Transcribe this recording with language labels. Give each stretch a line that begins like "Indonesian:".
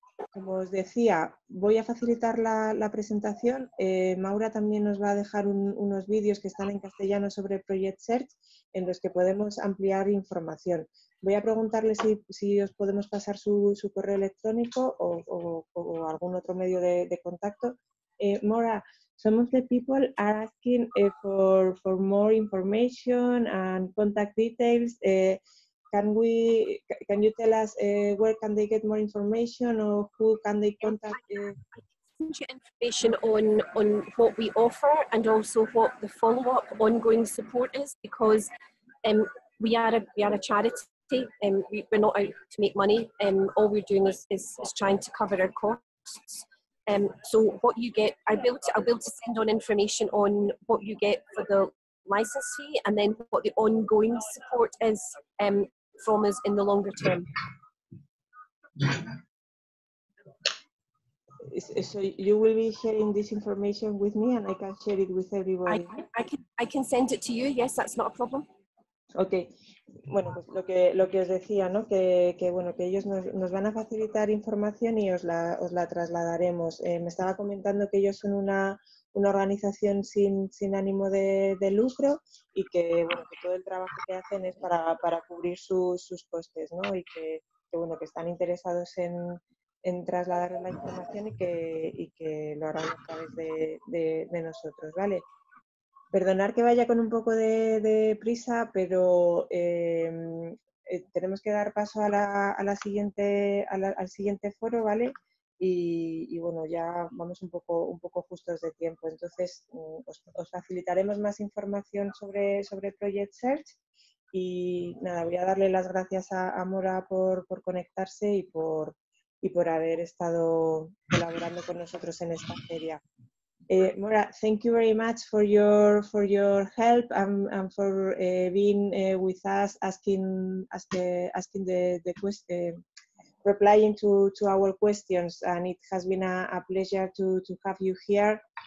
Spanish: Como os decía, voy a facilitar la presentación. Maura también nos va a dejar unos vídeos que están en castellano sobre Project Search en los que podemos ampliar información. Voy a preguntarle si os podemos pasar su correo electrónico o algún otro medio de contacto.
English: Maura, some of the people are asking for more information and contact details. Can you tell us where can they get more information or who can they contact? I can send you information on what we offer and also what the follow-up ongoing support is, because we are a charity. We're not out to make money. All we're doing is trying to cover our costs. So what you get, I'll be able to send on information on what you get for the license fee and then what the ongoing support is. traumas in the longer term. So you will be sharing this information with me and I can share it with everybody. I can send it to you, yes, that's not a problem.
Spanish: Okay. Bueno, pues lo que os decía, ¿no? Que bueno, que ellos nos van a facilitar información y os la trasladaremos. Me estaba comentando que ellos son una organización sin ánimo de lucro y que bueno, que todo el trabajo que hacen es para cubrir sus costes, ¿no? Y que bueno, que están interesados en trasladar la información y que lo harán a través de nosotros, ¿vale? Perdonar que vaya con un poco de prisa, pero tenemos que dar paso al siguiente foro, ¿vale? Y bueno, ya vamos un poco justos de tiempo. Entonces, os facilitaremos más información sobre Project Search. Y nada, voy a darle las gracias a Mora por conectarse y por haber estado colaborando con nosotros en esta feria.
English: Mora, thank you very much for your help and for being with us, asking the question, replying to our questions, and it has been a pleasure to have you here.